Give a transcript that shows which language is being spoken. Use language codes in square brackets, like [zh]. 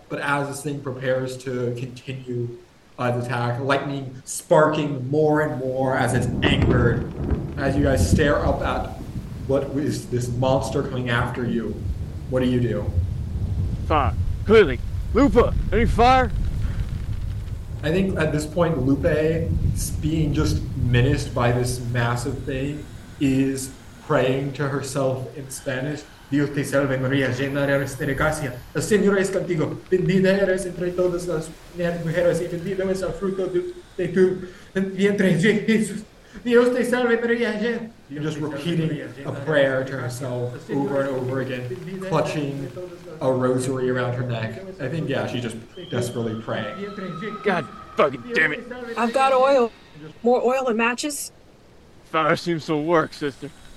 [en] But as this thing prepares to continue the attack, lightning sparking more and more as it's anchored, as you guys stare up at what is this monster coming after you, what do you do? Fire, clearly. Lupa, any fire? I think at this point, Lupe, being just menaced by this massive thing, is praying to herself in Spanish. [es] Dios te salve, María, llena eres de gracia. El Señor es contigo. Bendita eres entre todas las mujeres y bendito es el fruto de tu vientre, Jesús. Dios te salve, María, llena. [en] Just repeating a prayer to herself over and over again, clutching a rosary around her neck. I think, yeah, she's just desperately praying. God fucking damn it. I've got oil. More oil and matches? Fire seems to work, sister.